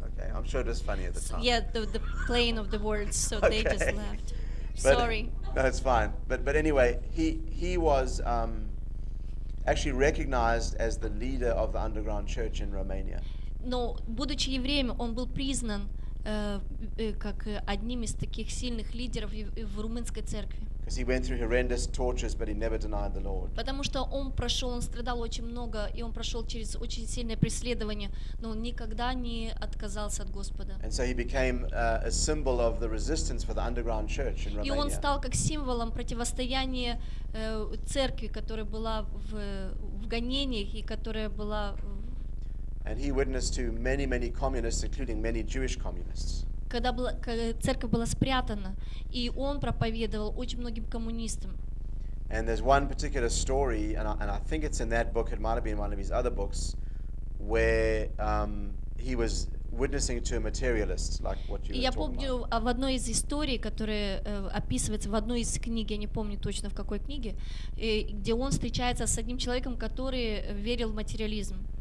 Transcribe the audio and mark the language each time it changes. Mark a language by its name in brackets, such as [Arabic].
[English] Okay, I'm sure it was funny at the time. Yeah, the playing of the words, so okay. They just laughed. Sorry. No, it's fine. But anyway, he was actually recognized as the leader of the underground church in Romania. [Russian] Но будучи евреем, он был признан как одним из таких сильных лидеров в румынской церкви. [English] Because he went through horrendous tortures, but he never denied the Lord. [Russian] Потому что он прошел, он страдал очень много, и он прошел через очень сильное преследование, но он никогда не отказался от Господа. [English] And so he became a symbol of the resistance for the underground church in Romania. [Russian] И он стал как символом противостояния церкви, которая была в гонениях и которая была. [English] And he witnessed to many, many communists, including many Jewish communists. [Russian] Когда была церковь была спрятана, и он проповедовал очень многим коммунистам. [English] And there's one particular story, and I think it's in that book. It might have been one of his other books, where he was witnessing to a materialist, like what you were talking about. [Russian] Я помню в одной из историй, которая описывается в одной из книг, я не помню точно в какой книге, где он встречается с одним человеком, который верил в материализм.